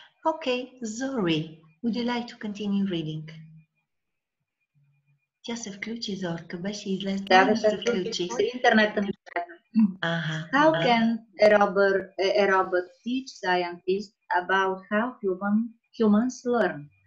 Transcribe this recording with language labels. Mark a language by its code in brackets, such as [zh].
[en] Okay, Zori, would you like to continue reading? [bg] Тя се включи, Зорка, беше излезла. Да, се включи. С интернета ми прави. [en] How can a robot teach scientists about how humans learn?